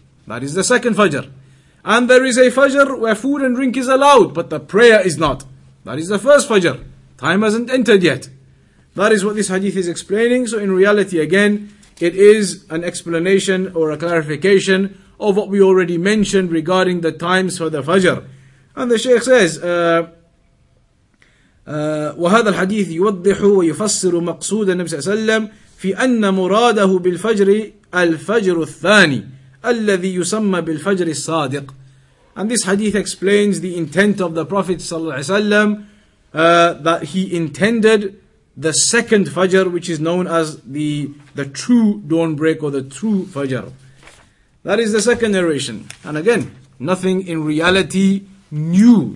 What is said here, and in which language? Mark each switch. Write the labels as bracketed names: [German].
[English] That is the second fajr. And there is a fajr where food and drink is allowed, but the prayer is not. That is the first fajr. Time hasn't entered yet. That is what this hadith is explaining. So in reality, again, it is an explanation or a clarification of what we already mentioned regarding the times for the fajr. And the Shaykh says, [Arabic] وهذا الحديث يوضح ويفسر مقصود النبي صلى الله عليه وسلم في أن مراده بالفجر الفجر الثاني الذي يسمى بالفجر الصادق. [English] And this hadith explains the intent of the Prophet صلى الله عليه وسلم, that he intended the second fajr, which is known as the true dawn break or the true fajr. That is the second narration. And again, nothing in reality new.